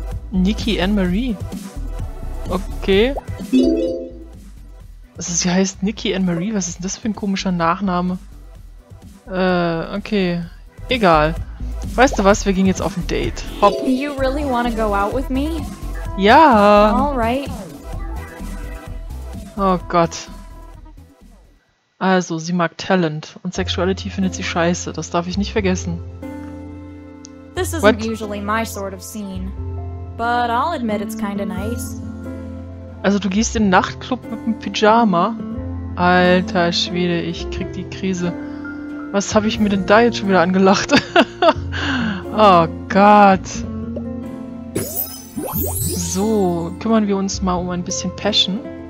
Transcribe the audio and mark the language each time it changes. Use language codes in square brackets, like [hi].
[de] Nikki Anne Marie. Okay. Also sie heißt Nikki Anne Marie. Was ist denn das für ein komischer Nachname? Okay. Egal. Weißt du was? Wir gehen jetzt auf ein Date. Hopp. [en] You really want to go out with me? [de] Ja. [en] All right. [de] Oh Gott. Also, sie mag Talent und Sexuality findet sie scheiße. Das darf ich nicht vergessen. [en] This isn't What? Usually my sort of scene, but I'll admit it's kinda nice. [de] Also, du gehst in den Nachtclub mit einem Pyjama? Alter Schwede, ich krieg die Krise. Was habe ich mir denn da jetzt schon wieder angelacht? Oh Gott. So, kümmern wir uns mal um ein bisschen Passion.